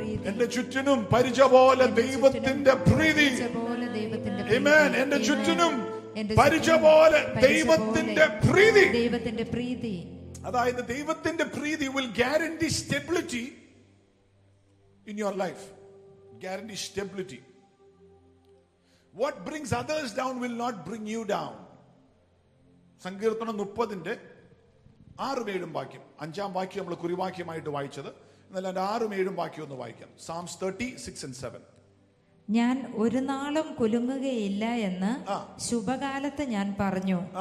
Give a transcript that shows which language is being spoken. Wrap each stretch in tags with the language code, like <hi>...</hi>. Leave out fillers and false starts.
<ml>എന്റെ ചുറ്റിനും പരിച പോലെ ദൈവത്തിന്റെ പ്രീതി. ആമേൻ. എന്റെ ചുറ്റിനും പരിച പോലെ ദൈവത്തിന്റെ പ്രീതി. അതായത് ദൈവത്തിന്റെ പ്രീതി</ml> <en>will guarantee stability in your life. Guarantee stability. What brings others down will not bring you down.</en> <ml>സങ്കീർത്തനം 30:6-7 വാക്യം, 5 നമ്മൾ കുറിവാക്യമായിട്ട് വായിച്ചത്, എന്നാൽ അതിന്റെ 6-7 വാക്യം ഒന്ന് വായിക്കാം.</ml> <en>Psalms 30:6-7.</en> <ml>ഞാൻ ഒരു നാളും കുലുങ്ങുകയില്ല എന്ന് ശുഭകാലത്ത് ഞാൻ പറഞ്ഞു.</ml>